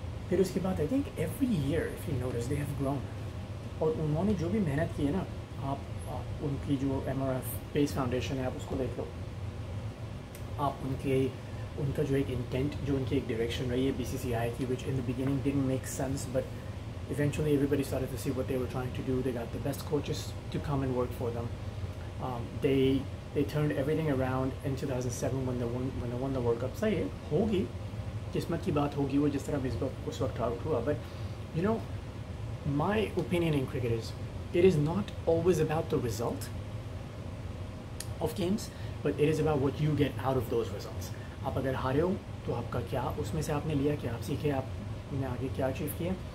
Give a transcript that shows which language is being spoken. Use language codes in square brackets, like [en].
[hi] फिर उसके बाद [en] I think every year if you notice they have grown. [hi] और उन्होंने जो भी मेहनत की है ना आप उनकी जो MRF बेस फाउंडेशन है आप उसको देख लो. आप उनके उनका जो एक इंटेंट जो उनकी एक डायरेक्शन रही है BCCI की [en] Which in the beginning didn't make sense but eventually everybody started to see what they were trying to do. They got the best coaches to come and work for them. They turned everything around in 2007 when they won the World Cup. [hi] सही है होगी किस्मत की बात होगी वो जिस तरह इस वक्त उस वक्त आउट हुआ. [en] But you know my opinion in cricket is it is not always about the result of games but it is about what you get out of those results. [hi] आप अगर हारे हो तो आपका क्या उसमें से आपने लिया क्या आप सीखे आपने आगे क्या अचीव किया.